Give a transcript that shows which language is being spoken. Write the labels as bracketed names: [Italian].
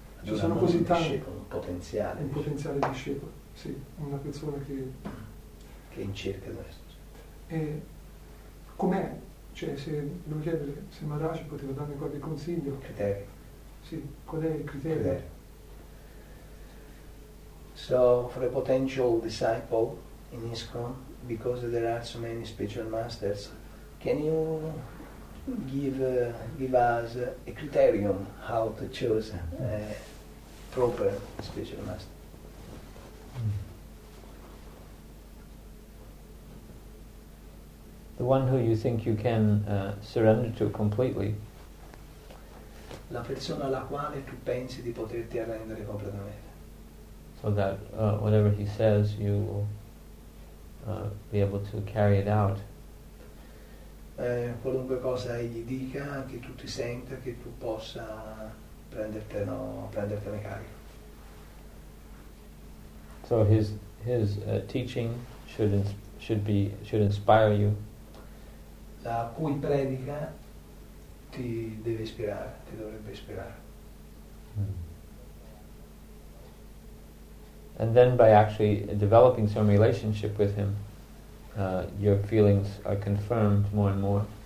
[Italian] Ci sono così tanti, un potenziale discepolo, sì, una persona che è in cerca di questo. E com'è? Cioè, se devo chiedere se Maharaj poteva darmi qualche consiglio. Criterio. Sì, qual è il criterio? Criterio. [English] So, for a potential disciple in ISKCON, because there are so many spiritual masters, can you give us a criterion how to choose a proper spiritual master? The one who you think you can surrender to completely. [Italian] La persona alla quale tu pensi di poterti arrendere completamente. [English] So that whatever he says, you will be able to carry it out. [Italian] Qualunque cosa egli dica, che tu ti senta, che tu possa prendertene carico. [English] So his teaching should inspire you. [Italian] La cui predica ti deve ispirare, ti dovrebbe ispirare. [English] And then by actually developing some relationship with him, your feelings are confirmed more and more.